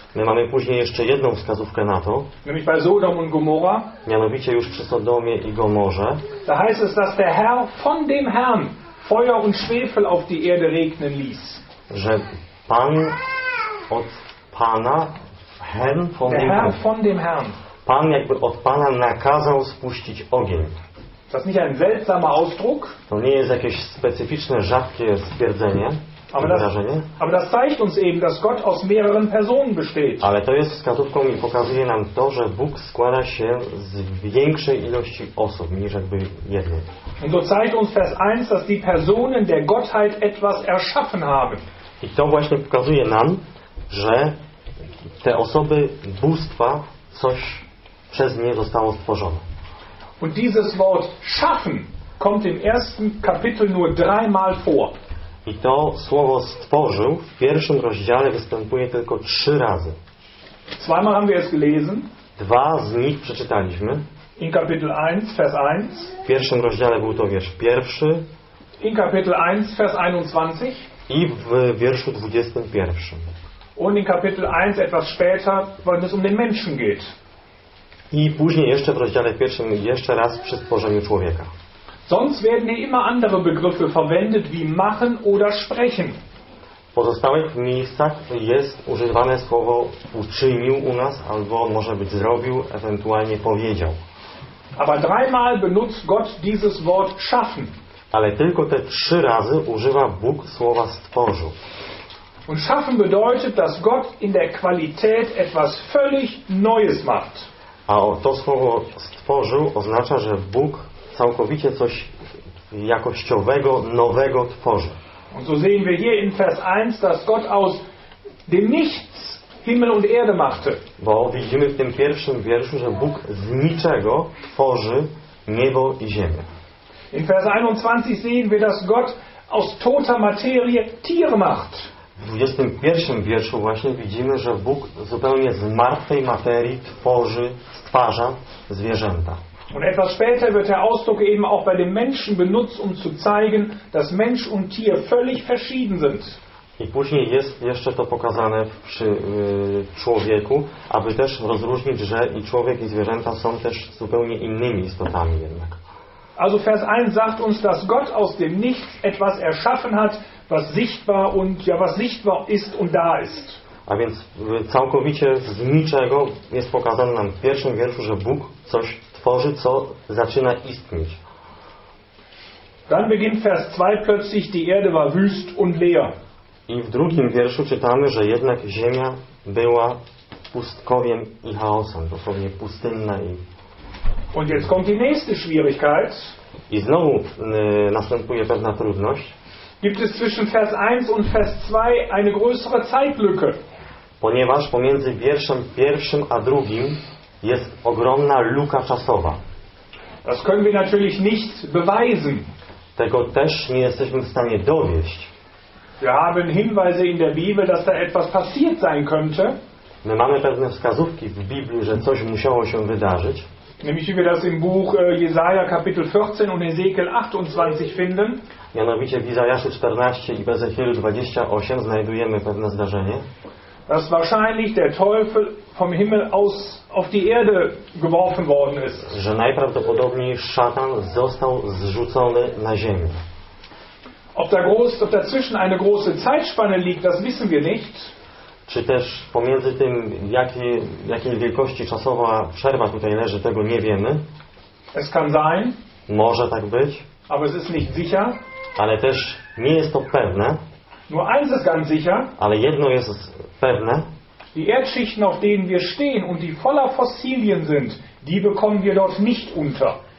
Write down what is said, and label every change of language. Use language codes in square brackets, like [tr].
[pl] My mamy później jeszcze jedną wskazówkę na to. [de] Nämlich bei Sodom und Gomorra. [pl] Mianowicie już przy Sodomie i Gomorze. [de] Da heißt es, dass der Herr von dem Herrn Feuer und Schwefel auf die Erde regnen ließ. [pl] Że Pan od Pana, [de] Herrn von der dem Herr von dem Herrn. [pl] Pan jakby od Pana nakazał spuścić ogień. [de] Das ist nicht ein seltsamer Ausdruck. [pl] To nie jest jakieś specyficzne, rzadkie stwierdzenie. [de] Aber das zeigt uns eben, dass Gott aus mehreren Personen besteht. [pl] Ale to jest wskazówką i pokazuje nam to, że Bóg składa się z większej ilości osób niż jakby jednej. [de] Und so zeigt uns Vers 1, dass die Personen der Gottheit etwas erschaffen haben. [pl] I to właśnie pokazuje nam, że te osoby bóstwa coś przez nie zostało stworzone. [de] Und dieses Wort schaffen kommt im ersten Kapitel nur dreimal vor. [pl] I to słowo stworzył w pierwszym rozdziale występuje tylko trzy razy. [de] Zweimal haben wir es gelesen. [pl] Dwa z nich przeczytaliśmy. [de] In Kapitel 1, Vers 1. [pl] W pierwszym rozdziale był to wiersz pierwszy. [de] In Kapitel 1, Vers 21. [pl] I w wierszu 21. [de] Und in Kapitel 1 etwas später, wenn es um den Menschen geht. [pl] I później jeszcze w rozdziale pierwszym jeszcze raz przy stworzeniu człowieka. [de] Sonst werden hier immer andere Begriffe verwendet, wie machen oder sprechen. [pl] W pozostałych miejscach jest używane słowo uczynił u nas, albo może być zrobił, ewentualnie powiedział. [de] Aber dreimal benutzt Gott dieses Wort schaffen. [pl] Ale tylko te trzy razy używa Bóg słowa stworzył. [de] Und schaffen bedeutet, dass Gott in der Qualität etwas völlig Neues macht. [pl] A to słowo stworzył oznacza, że Bóg całkowicie coś jakościowego, nowego tworzy. [de] Und so sehen wir hier in Vers 1, dass Gott aus dem Nichts Himmel und Erde machte. [pl] Bo widzimy w tym pierwszym wierszu, że Bóg z niczego tworzy niebo i ziemię. [de] In Vers 21 sehen wir, dass Gott aus toter Materie Tiere macht. [pl] W 21 wierszu właśnie widzimy, że Bóg zupełnie z martwej materii tworzy, stwarza zwierzęta. [de] Und etwas später wird der Ausdruck eben auch bei den Menschen benutzt, um zu zeigen, dass Mensch und Tier völlig verschieden sind. [pl] I później jest jeszcze to pokazane przy człowieku, aby też rozróżnić, że i człowiek i zwierzęta są też zupełnie innymi istotami jednak. [de] Also Vers 1 sagt uns, dass Gott aus dem Nichts etwas erschaffen hat, was sichtbar und ja was sichtbar ist und da ist. [pl] A więc całkowicie z niczego jest pokazane nam w pierwszym wierszu, że Bóg coś tworzy, co zaczyna istnieć. [de] Dann beginnt Vers 2 plötzlich die Erde war wüst und leer. [pl] I w drugim wierszu czytamy, że jednak ziemia była pustkowiem i chaosem, dosłownie pustynna i. [de] Und jetzt kommt die nächste Schwierigkeit. [pl] I znowu następuje pewna trudność. [de] Gibt es zwischen Vers 1 und Vers 2 eine größere Zeitlücke? [pl] Ponieważ pomiędzy wierszem pierwszym a drugim jest ogromna luka czasowa. [de] Das können wir natürlich nicht beweisen. [pl] Tego też nie jesteśmy w stanie dowieść. [de] Wir haben Hinweise in der Bibel, dass da etwas passiert sein könnte. [pl] My mamy pewne wskazówki w Biblii, że coś musiało się wydarzyć. [de] Nämlich wie wir das im Buch Jesaja Kapitel 14 und Ezekiel 28 finden. [pl] Mianowicie w Izajaszu 14 i Ezechielu 28 znajdujemy pewne zdarzenie. [de] Dass wahrscheinlich der Teufel vom Himmel aus auf die Erde geworfen worden ist. [pl] Że najprawdopodobniej szatan został zrzucony na ziemię. [de] Ob dazwischen eine große Zeitspanne liegt, das wissen wir nicht. [pl] Czy też pomiędzy tym, jakiej wielkości czasowa przerwa tutaj leży, tego nie wiemy. [de] Es kann sein. [pl] Może tak być. [de] Aber es ist nicht sicher. [pl] Ale też nie jest to pewne. [de] Nur eins ist ganz sicher. [pl] Ale jedno jest pewne. [de] Die Erdschichten, auf denen wir stehen und die voller Fossilien sind, die bekommen wir dort nicht unter.